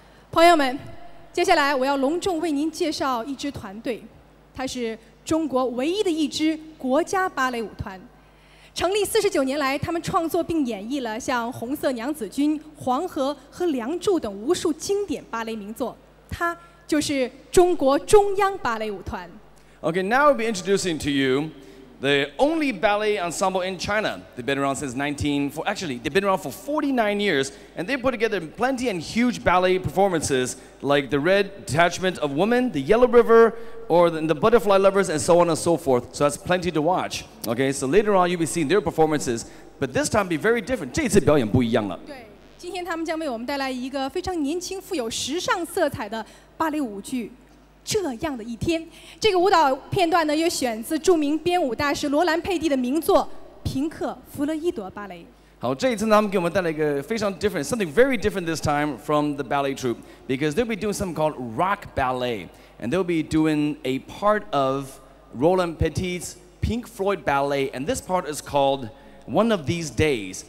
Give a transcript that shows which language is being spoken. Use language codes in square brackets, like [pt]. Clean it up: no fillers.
[zh] 朋友们，接下来我要隆重为您介绍一支团队，它是中国唯一的一支国家芭蕾舞团。成立49年来，他们创作并演绎了像《红色娘子军》《黄河》和《梁祝》等无数经典芭蕾名作。它就是中国中央芭蕾舞团。 [en] Okay, now I'll be introducing to you the only ballet ensemble in China. They've been around since 49 years, and they put together plenty and huge ballet performances like the Red Detachment of Women, the Yellow River, or the Butterfly Lovers, and so on and so forth. So that's plenty to watch. Okay, so later on you'll be seeing their performances, but this time be very different. [zh] 这次表演不一样了。对，今天他们将为我们带来一个非常年轻、富有时尚色彩的芭蕾舞剧。这样的一天，这个舞蹈片段呢，又选自著名编舞大师罗兰·佩蒂的名作《平克·弗洛伊德芭蕾》。好，这一次呢，他们给我们带来一个非常 [en] different, something very different this time from the ballet troupe, because they'll be doing something called rock ballet, and they'll be doing a part of Roland Petit's Pink Floyd ballet, and this part is called One of These Days.